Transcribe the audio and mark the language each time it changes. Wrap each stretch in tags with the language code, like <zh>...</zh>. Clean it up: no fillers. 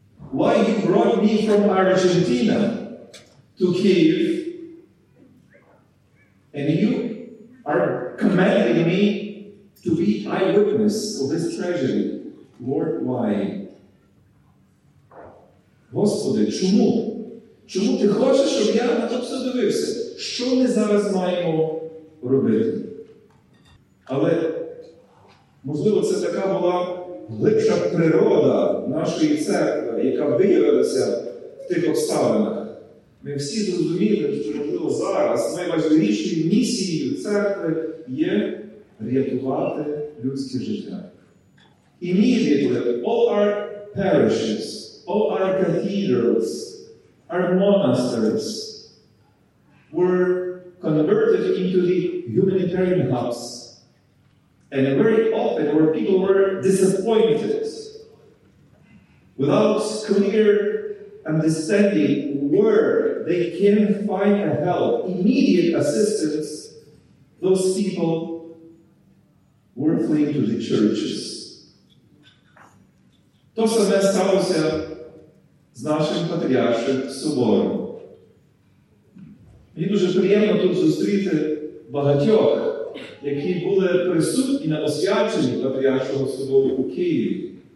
<en>Why you brought me from Argentina to Kyiv, and you are commanding me to be eyewitness of this tragedy? Lord, why?</en> <uk>Господи, чому? Чому ти хочеш, щоб я на тобто дивився? Що ми зараз маємо робити? Але, можливо, це така була глибша природа нашої церкви, яка виявилася в тих обставинах. Ми всі зрозуміли, що, можливо, зараз найважливішою місією церкви є рятувати людське життя.</uk> <en>Immediately, all our parishes, all our cathedrals, our monasteries were converted into the humanitarian hubs. And very often where people were disappointed without clear understanding where they can find a help, immediate assistance, those people were fleeing to the churches.</en> <uk>То саме сталося з нашим патріаршем собором. Мені дуже приємно тут зустріти багатьох, які були присутні на освяченні патріаршого собору у Києві.</uk>